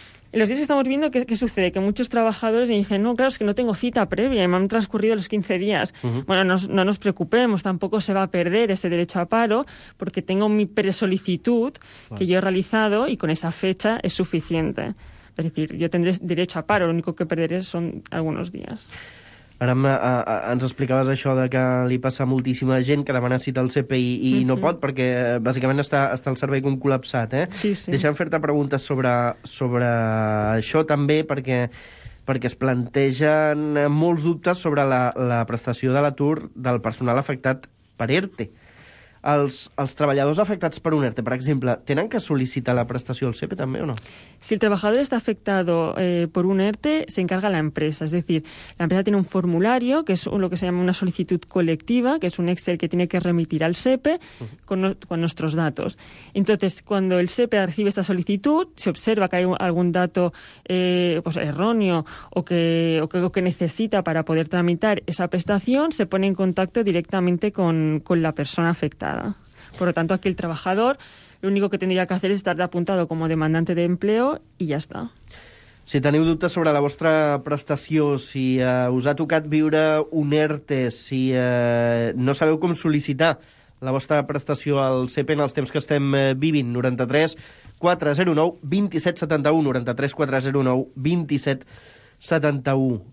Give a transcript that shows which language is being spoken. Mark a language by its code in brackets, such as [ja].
[es] En los días que estamos viviendo, ¿qué sucede? Que muchos trabajadores me dicen, no, claro, es que no tengo cita previa, me han transcurrido los 15 días. Bueno, no nos preocupemos, tampoco se va a perder ese derecho a paro, porque tengo mi presolicitud que yo he realizado y con esa fecha es suficiente. Es decir, yo tendré derecho a paro, lo único que perderé son algunos días. [ca] Ara ens explicaves això de que li passa a moltíssima gent que demana cita al CPI i no pot perquè bàsicament està el servei com col·lapsat, eh? Sí, sí. Deixa'm fer-te preguntes sobre això també perquè es plantegen molts dubtes sobre la prestació de l'atur del personal afectat per ERTE. Els treballadors afectats per un ERTE, per exemple, tenen que sol·licitar la prestació al SEPE també o no? Si el treballador està afectat per un ERTE, s'encarga la empresa. És a dir, la empresa té un formulari, que és el que [es] se llama [ca] una sol·licitud col·lectiva, que és un Excel [es] que tiene que remitir al SEPE con nuestros datos. Entonces, cuando el SEPE recibe esta solicitud, se observa que hay algún dato pues erróneo o que necesita para poder tramitar esa prestación, se pone en contacto directamente con la persona afectada. Por lo tanto, aquí el trabajador lo único que tendría que hacer es estar apuntado como demandante de empleo y ya está. [ca] Si teniu dubtes sobre la vostra prestació, si us ha tocat viure un ERTE, si no sabeu com sol·licitar la vostra prestació al SEPE en els temps que estem vivint, 93-409-2771, 93-409-2771.